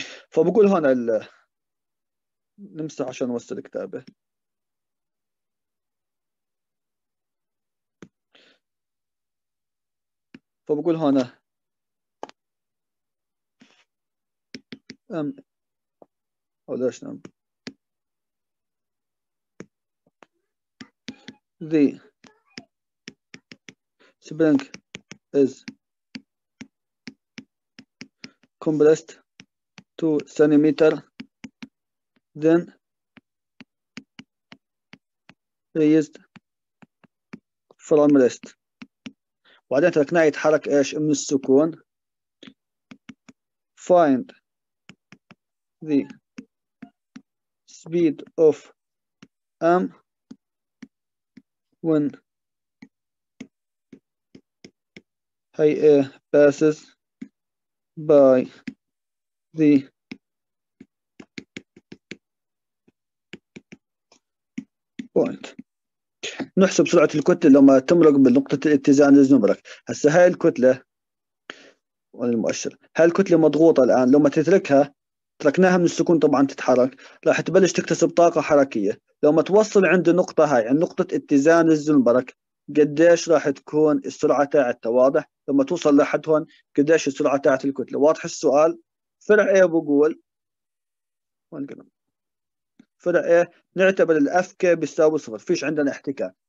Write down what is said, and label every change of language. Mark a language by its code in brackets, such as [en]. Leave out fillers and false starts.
[ar] فبقول هون نمسح عشان نوصل كتابه، فبقول هون او ليش نعم [en] the spring is compressed to centimeter, then raised from rest. [ar] وبعدين تركناه يتحرك إيش من السكون. [en] Find the speed of M when [ar] هي [en] passes by the point. [ar] نحسب سرعة الكتلة لما تمرق بالنقطة الاتزان اللي نمرق. هسا هاي الكتلة والمؤشر. هاي الكتلة مضغوطة الآن. لما تتركها تركناها من السكون طبعا تتحرك. راح تبلش تكتسب طاقة حركية. لو ما توصل عند النقطة هاي عند نقطة اتزان الزنبرك قديش راح تكون السرعة تاعتها؟ واضح؟ لما توصل لحد هون قديش السرعة تاعت الكتلة؟ واضح السؤال؟ فرع ايه بقول؟ فرع ايه؟ نعتبر الاف كي بيساوي صفر، فيش عندنا احتكاك.